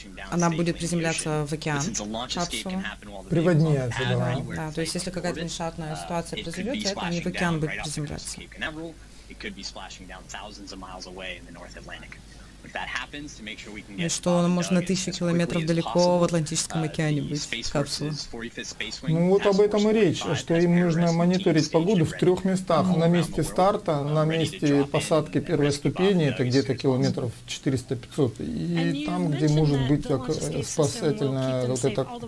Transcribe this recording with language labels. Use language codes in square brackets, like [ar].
[ru] она будет приземляться в океан. Капсула приводняется, да. То есть если какая-то нештатная ситуация произойдет, то они в океан будут приземляться. [en] It could be splashing down thousands of miles away in the North Atlantic. If that happens, to make sure we can get to the ocean. [ru] Ну что, можно тысячи километров далеко в Атлантическом океане быть капсула. Ну вот об этом и речь, что им нужно мониторить погоду в трех местах: на месте старта, на месте посадки первой ступени, это где-то километров 400-500, и там, где может быть спасательная вот эта.